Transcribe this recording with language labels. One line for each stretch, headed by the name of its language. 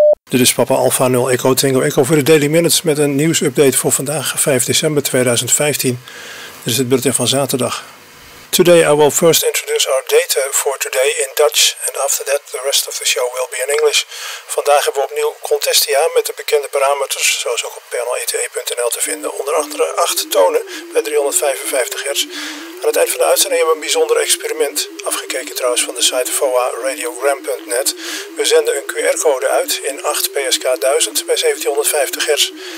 Dutch: Dit is Papa Alpha 0 Echo Tango Echo voor de Daily Minutes met een nieuwsupdate voor vandaag, 5 december 2015. Dit is het bulletin van zaterdag.
English: Today I will first introduce our data for today in Dutch and after that the rest of the show will be in English.
Dutch: Vandaag hebben we opnieuw Contestia met de bekende parameters, zoals ook op panel.ete.nl te vinden, onder andere 8 tonen bij 355 Hz. Aan het eind van de uitzending hebben we een bijzonder experiment, afgekeken trouwens van de site voa-radiogram.net. We zenden een QR-code uit in 8PSK1000 bij 1750 Hz.